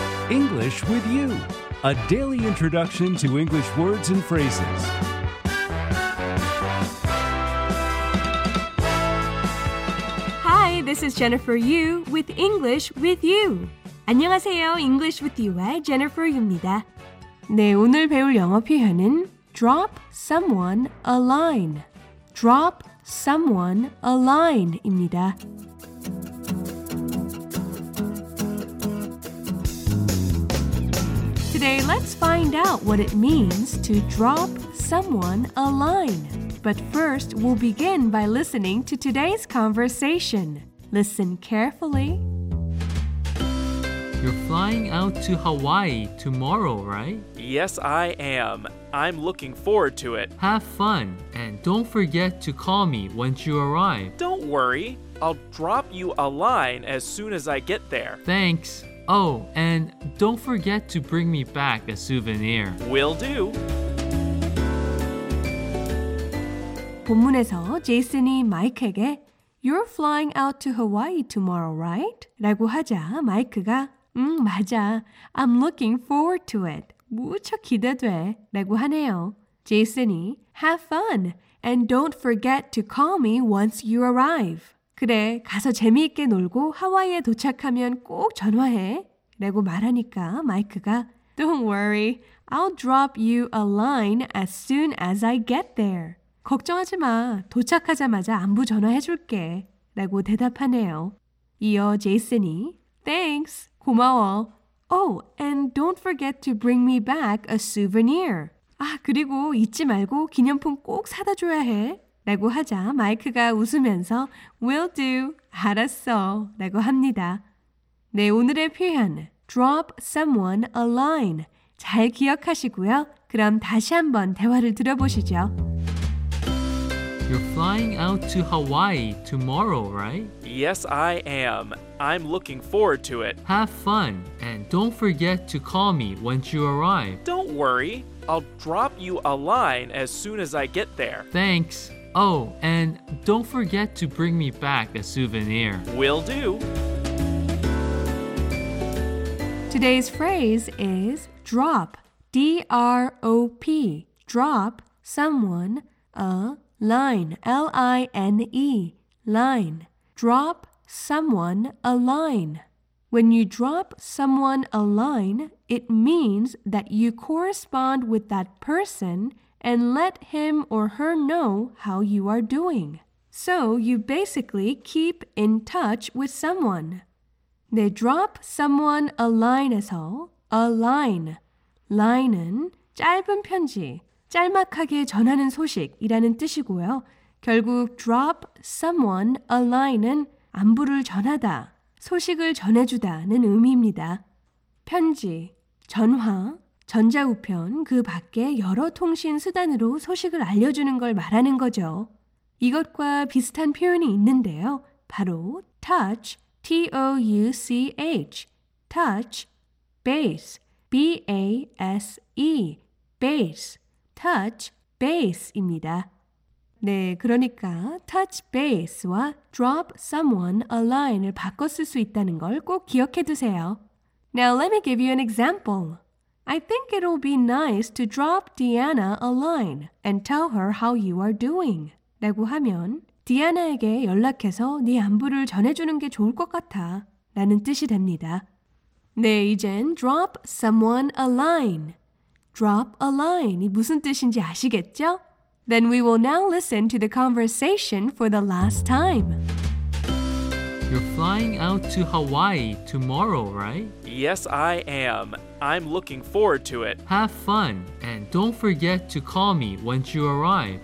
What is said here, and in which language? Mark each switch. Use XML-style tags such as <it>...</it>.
<en>English with you, a daily introduction to English words and phrases. Hi, this is Jennifer Yu with English with you.</en> <ko>안녕하세요, English with you의 Jennifer Yu입니다. 네, 오늘 배울 영어 표현은</ko> <en>drop someone a line. Drop someone a line입니다.</en> <ko>오늘</ko> <en>let's find out what it means to drop someone a line. But first, we'll begin by listening to today's conversation. Listen carefully. You're flying out to Hawaii tomorrow, right? Yes, I am. I'm looking forward to it. Have fun, and don't forget to call me once you arrive. Don't worry. I'll drop you a line as soon as I get there. Thanks. Oh, and don't forget to bring me back a souvenir. Will do.</en> <ko>본문에서 제이슨이 마이크에게</ko> <en>You're flying out to Hawaii tomorrow, right?</en> <ko>라고 하자 마이크가 맞아.</ko> <en>I'm looking forward to it.</en> <ko>무척 기대돼. 라고 하네요.</ko> <en>제이슨이 Have fun and don't forget to call me once you arrive.</en> <ko>그래, 가서 재미있게 놀고 하와이에 도착하면 꼭 전화해. 라고 말하니까 마이크가</ko> <en>Don't worry, I'll drop you a line as soon as I get there.</en> <ko>걱정하지 마, 도착하자마자 안부 전화해줄게. 라고 대답하네요. 이어 제이슨이</ko> <en>Thanks,</en> <ko>고마워.</ko> <en>Oh, and don't forget to bring me back a souvenir.</en> <ko>아, 그리고 잊지 말고 기념품 꼭 사다 줘야 해. 라고 하자 마이크가 웃으면서</ko> <en>Will do,</en> <ko>알았어 라고 합니다. 네, 오늘의 표현</ko> <en>Drop someone a line</en> <ko>잘 기억하시고요. 그럼 다시 한번 대화를 들어보시죠.</ko> <en>You're flying out to Hawaii tomorrow, right? Yes, I am. I'm looking forward to it. Have fun and don't forget to call me once you arrive. Don't worry. I'll drop you a line as soon as I get there. Thanks. Oh, and don't forget to bring me back a souvenir. Will do. Today's phrase is drop, D-R-O-P, drop someone a line, L-I-N-E, line. Drop someone a line. When you drop someone a line, it means that you correspond with that person and let him or her know how you are doing. So you basically keep in touch with someone.</en> <ko>네, drop someone a line에서 a line, line은 짧은 편지, 짤막하게 전하는 소식이라는 뜻이고요. 결국</ko> <en>drop someone a line</en> <ko>은 안부를 전하다, 소식을 전해주다는 의미입니다. 편지, 전화, 전자우편, 그 밖에 여러 통신 수단으로 소식을 알려주는 걸 말하는 거죠. 이것과 비슷한 표현이 있는데요. 바로</ko> <en>touch, T-O-U-C-H, touch, base, B-A-S-E, base, touch, base입니다.</en> <ko>네, 그러니까</ko> <en>touch base</en> <ko>와</ko> <en>drop someone a line</en> <ko>을 바꿔 쓸 수 있다는 걸 꼭 기억해 두세요.</ko> <en>Now let me give you an example. I think it'll be nice to drop Deanna a line and tell her how you are doing.</en> <ko>라고 하면 디아나에게 연락해서 네 안부를 전해주는 게 좋을 것 같아 라는 뜻이 됩니다. 네, 이젠</ko> <en>drop someone a line. Drop a line</en> <ko>이 무슨 뜻인지 아시겠죠?</ko> <en>Then we will now listen to the conversation for the last time. You're flying out to Hawaii tomorrow, right? Yes, I am. I'm looking forward to it. Have fun, and don't forget to call me once you arrive.</en>